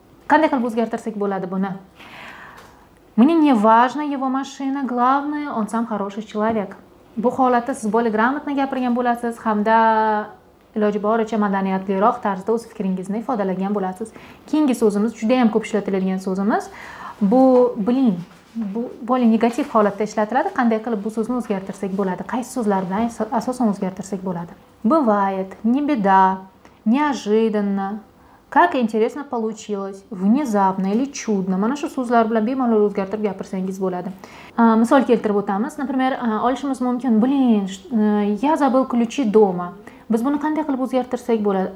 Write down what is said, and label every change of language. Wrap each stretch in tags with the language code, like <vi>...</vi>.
<uz>Qanday qilib o'zgartirsak bo'ladi buni?</uz> <ru>Мне не важна его машина, главное, он сам хороший человек.</ru> <uz>Bu holatda siz</uz> <ru>более грамотно</ru> <uz>gapirgan bo'lasiz, hamda iloji boricha madaniyatliroq tarzda o'z fikringizni ifodalagan bo'lasiz. Keyingi so'zimiz juda ham ko'p ishlatiladigan so'zimiz. Bu блин, bu более negativ holatda ishlatiladi. Qanday qilib bu so'zni o'zgartirsak bo'ladi? Qaysi so'zlar bilan asosan o'zgartirsak bo'ladi?</uz> <ru>Бывает, не беда, неожиданно, как интересно получилось, внезапно или чудно.</ru> <uz>Mana shu so'zlar bilan bemalol o'zgartirib gapirsangiz bo'ladi. Misol keltirib o'tamiz. Например, olishimiz mumkin.</uz> <ru>Блин, я забыл ключи дома.</ru> <uz>Biz buni qanday qilib o'zgartirsak bo'ladi?</uz>